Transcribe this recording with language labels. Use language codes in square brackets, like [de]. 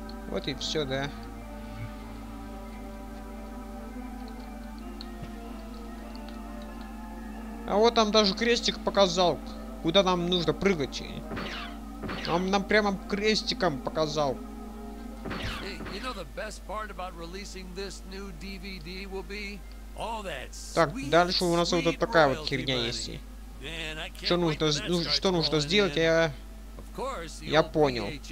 [ru] Вот и все, да. А вот там даже крестик показал, куда нам нужно прыгать. Нам прямо крестиком показал. [en] You know the best part about releasing this new DVD will be? All that sweet, [ru] так, дальше у нас вот такая вот херня есть. Что нужно сделать, я понял.